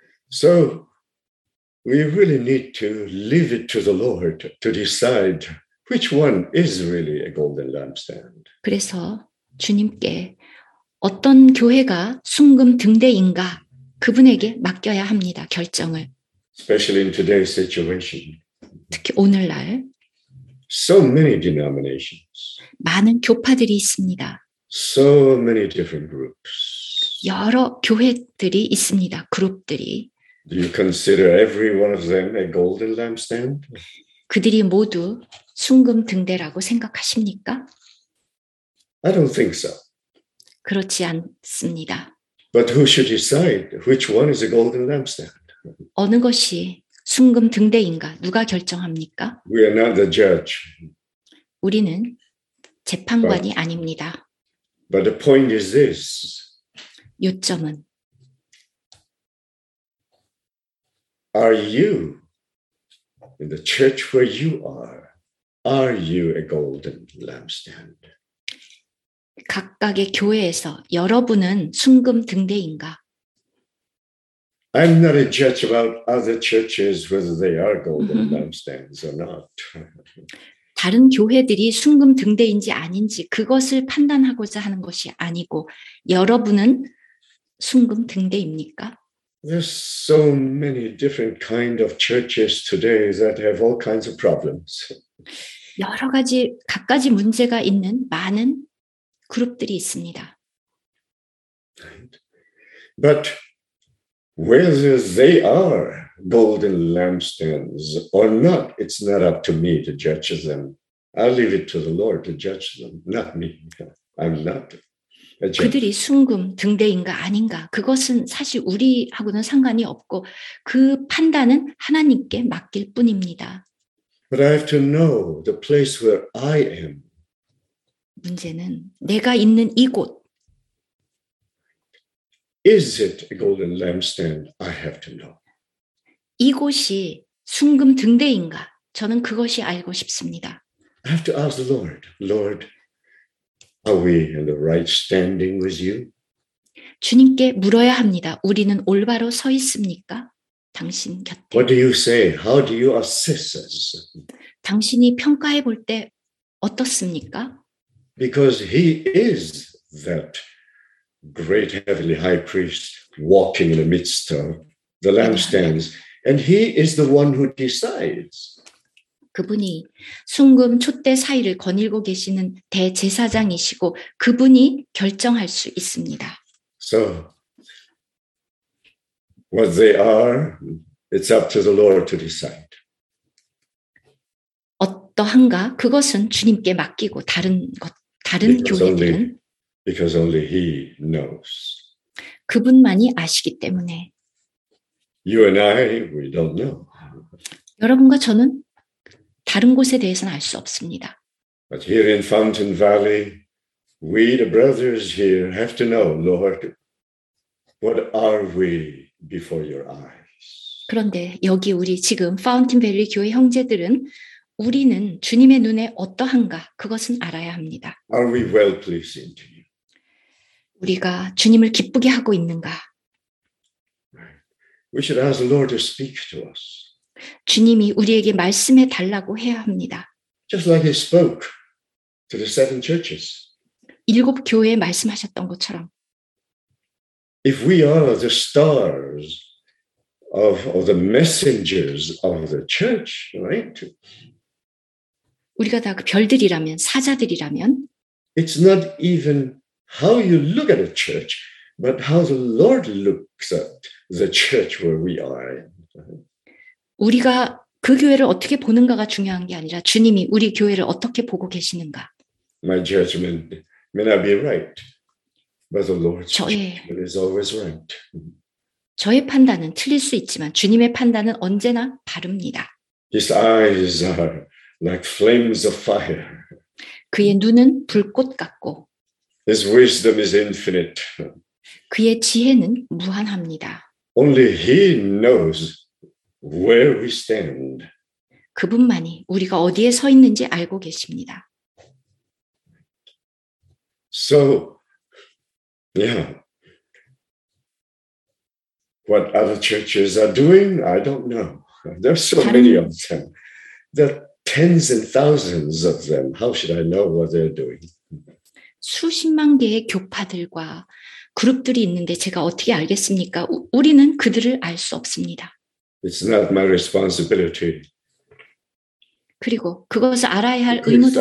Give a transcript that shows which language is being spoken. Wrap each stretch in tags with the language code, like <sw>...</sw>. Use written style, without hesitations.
<en>So we really need to leave it to the Lord to decide which one is really a golden lampstand.</en> <ko>그래서 주님께 어떤 교회가 순금 등대인가 그분에게 맡겨야 합니다. 결정을.</ko> <en>Especially in today's situation.</en> <ko>특히 오늘날.</ko> <en>So many denominations.</en> <ko>많은 교파들이 있습니다.</ko> <en>So many different groups.</en> <ko>여러 교회들이 있습니다. 그룹들이.</ko> <en>Do you consider every one of them a golden lampstand?</en> <ko>그들이 모두 순금 등대라고 생각하십니까?</ko> <en>I don't think so.</en> <ko>그렇지 않습니다.</ko> <en>But who should decide which one is a golden lampstand?</en> <ko>어느 것이 순금 등대인가 누가 결정합니까?</ko> <en>We are not the judge.</en> <ko>우리는 재판관이 아닙니다.</ko> <en>But the point is this.</en> <ko>요점은</ko> <en>Are you, in the church where you are you a golden lampstand?</en> <ko>각각의 교회에서 여러분은 순금 등대인가?</ko> <en>I'm not a judge about other churches whether they are golden lampstands or not.</en> <ko>다른 교회들이 순금 등대인지 아닌지 그것을 판단하고자 하는 것이 아니고 여러분은 순금 등대입니까?</ko> <en>There's so many different kinds of churches today that have all kinds of problems.</en> <ko>여러 가지 각가지 문제가 있는 많은 그룹들이 있습니다.</ko> <en>But whether they are golden lampstands or not, it's not up to me to judge them. I'll leave it to the Lord to judge them, not me. I'm not.</en> <ko>그들이 순금 등대인가 아닌가 그것은 사실 우리하고는 상관이 없고 그 판단은 하나님께 맡길 뿐입니다.</ko> <en>But I have to know the place where I am.</en> <ko>문제는 내가 있는 이곳.</ko> <en>Is it a golden lampstand? I have to know.</en> <ko>이곳이 순금 등대인가? 저는 그것이 알고 싶습니다.</ko> <en>I have to ask the Lord. Lord, are we in the right standing with you?</en> <ko>주님께 물어야 합니다. 우리는 올바로 서 있습니까? 당신 곁에.</ko> <en>What do you say? How do you assess us?</en> <ko>당신이 평가해 볼 때 어떻습니까?</ko> <en>Because he is that great heavenly high priest walking in the midst of the lampstands. And he is the one who decides.</en> <ko>그분이 순금 촛대 사이를 거닐고 계시는 대제사장이시고 그분이 결정할 수 있습니다.</ko> <en>So, what they are, it's up to the Lord to decide.</en> <ko>어떠한가? 그것은 주님께 맡기고 다른 것, 다른 교회들은</ko> <en>because only he knows.</en> <ko>그분만이 아시기 때문에.</ko> <en>You and I, we don't know.</en> <ko>여러분과 저는 다른 곳에 대해서는 알 수 없습니다.</ko> <en>But here in Fountain Valley, we the brothers here have to know, Lord, what are we before your eyes?</en> <ko>그런데 여기 우리 지금 Fountain Valley 교회 형제들은 우리는 주님의 눈에 어떠한가 그것은 알아야 합니다.</ko> <en>Are we well pleasing to you?</en> <ko>우리가 주님을 기쁘게 하고 있는가?</ko> <en>We should ask the Lord to speak to us.</en> <ko>주님이 우리에게 말씀해 달라고 해야 합니다.</ko> <en>Just like he spoke to the seven churches.</en> <ko>일곱 교회에 말씀하셨던 것처럼.</ko> <en>If we are the stars of or the messengers of the church, right?</en> <ko>우리가 다 그 별들이라면 사자들이라면</ko> <en>It's not even how you look at a church. But how the Lord looks at the church where we are.</en> <ko>우리가 그 교회를 어떻게 보는가가 중요한 게 아니라 주님이 우리 교회를 어떻게 보고 계시는가.</ko> <en>My judgment may not be right, but the Lord's judgment is always right.</en> <ko>저의 판단은 틀릴 수 있지만 주님의 판단은 언제나 바릅니다.</ko> <en>His eyes are like flames of fire.</en> <ko>그의 눈은 불꽃 같고.</ko> <en>His wisdom is infinite.</en> <ko>그의 지혜는 무한합니다.</ko> <en>Only he knows where we stand.</en> <ko>그분만이 우리가 어디에 서 있는지 알고 계십니다.</ko> <en>So, yeah. What other churches are doing, I don't know. There's so many of them. There are tens and thousands of them. How should I know what they're doing?</en> <ko>수십만 개의 교파들과 그룹들이 있는데 제가 어떻게 알겠습니까? 우리는 그들을 알 수 없습니다.</ko> <en>It's not my responsibility.</en> <ko>그리고 그것을 알아야 할 의무도</ko>